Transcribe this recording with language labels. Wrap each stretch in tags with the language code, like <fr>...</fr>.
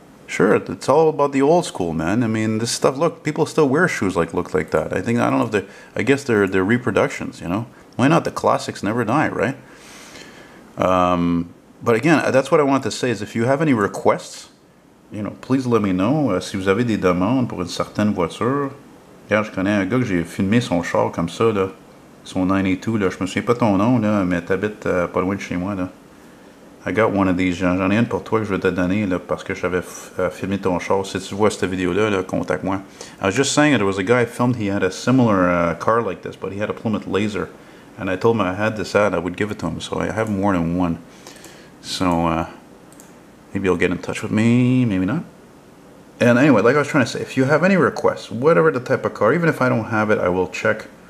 <en>Sure, it's all about the old school, man. I mean, this stuff, look, people still wear shoes like look like that. I think, I don't know if they're, I guess they're reproductions, you know. Why not? The classics never die, right? But again, that's what I wanted to say, is if you have any requests, you know, please let me know.</en> <fr>Si vous avez des demandes pour une certaine voiture. Hier, je connais un gars que j'ai filmé son char comme ça, là. Son 92, là. Je me souviens pas ton nom, là, mais t'habites pas loin de chez moi, là.</fr> <en>I got one of these.</en> <fr>J'en ai une pour toi que je vais te donner, là, parce que j'avais filmé ton char. Si tu vois cette vidéo-là, là, contacte-moi.</fr> <en>I was just saying that there was a guy I filmed, he had a similar car like this, but he had a Plymouth Laser. And I told him I had this ad, I would give it to him. So I have more than one. So maybe he'll get in touch with me, maybe not. And anyway, like I was trying to say, if you have any requests, whatever the type of car, even if I don't have it, I will check.</en>